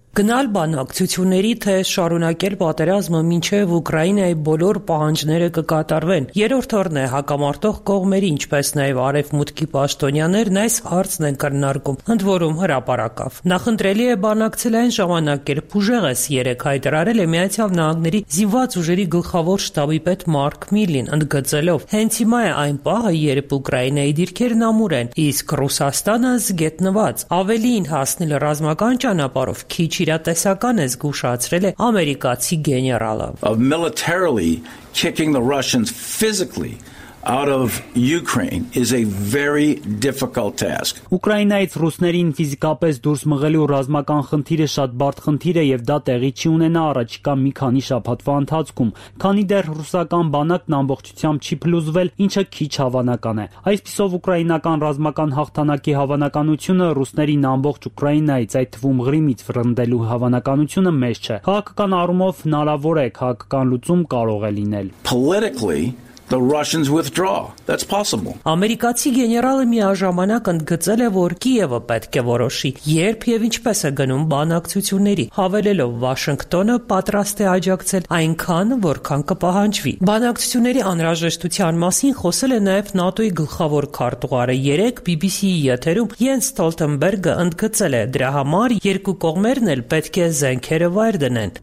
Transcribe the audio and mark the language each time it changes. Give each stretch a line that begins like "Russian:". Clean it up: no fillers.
Armenian: Գնալ բանակցությունների, թե շարունակել պատերազմը, մինչև Ուկրաինայի բոլոր պահանջները կկատարվեն։ Երրորդ օրն է հակամարտող կողմերի, ինչպես նաև արևմուտքի պաշտոնյաներն այս հարցն են քննարկում, ընդ որում հրապարակավ։ Նախընտրելի է բանակցել այն ժամանակ, երբ ուժեղս 3 հայտարարել է Միացյալ Նահանգների զինված ուժերի գլխավոր շտաբի պետ Մարկ Միլին, ընդգծելով. Հենց հիմա է այն պահը, երբ Ուկրաինայի դիրքերն ամուր են, իսկ Ռուսաստանը զգետնված, ավելին հասնել ռազմական ճանապարհով քիչ իրատեսական է, զգուշացրել է ամերիկացի գեներալը.
English: Of militarily kicking the Russians physically out of Ukraine is a very difficult task.
Armenian: Ուկրաինայից ռուսներին ֆիզիկապես դուրս մղելու ռազմական խնդիրը շատ բարդ խնդիր է եւ դա տեղի չի ունենա առաջիկա մի քանի շաբաթվա ընթացքում, քանի դեռ ռուսական բանակն ամբողջությամբ չի փլուզվել, ինչը քիչ հավանական է։ Այսպիսով ուկրաինական ռազմական հաղթանակի հավանականությունը ռուսներին ամբողջ Ուկրաինայից, այդ թվում Ղրիմից վրնդելու հավանականությունը մեծ չէ։ Քաղաքական առումով հնարավոր է քաղաքական լուծում կարող է լինել։
English: Politically the Russians withdraw. That's possible.
Armenian: Ամերիկացի գեներալը միաժամանակ ընդգծել է, որ Կիևը պետք է որոշի, երբ եւ ինչպես է գնում բանակցությունների, հավելելով Վաշինգտոնը պատրաստ է աջակցել այնքան, որքան կպահանջվի։ Բանակցությունների անհրաժեշտության մասին խոսել է նաեւ ՆԱՏՕ-ի գլխավոր քարտուղարը 3 BBC-ի եթերում Յենս Ստոլտենբերգը ընդգծել է, դրա համար երկու կողմերն էլ պետք է զենքերը վայր դնեն։